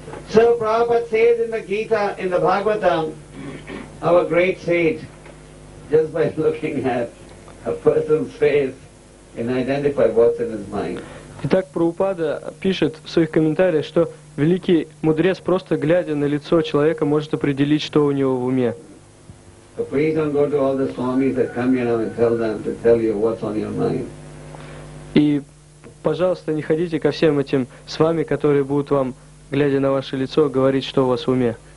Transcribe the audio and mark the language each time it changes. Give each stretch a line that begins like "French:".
English: So Prabhupada says in the Gita, in the Bhagavatam, our great sage, just by looking at a person's face, can identify what's in his mind.
Russian: Итак, Прабхупада пишет в своих комментариях, что великий мудрец, просто глядя на лицо человека, может определить, что у него в уме.
English: So please don't go to all the swamis that come here now and tell them to tell you what's on your mind.
Russian: И, пожалуйста, не ходите ко всем этим с вами, которые будут вам, глядя на ваше лицо, говорить, что у вас в уме.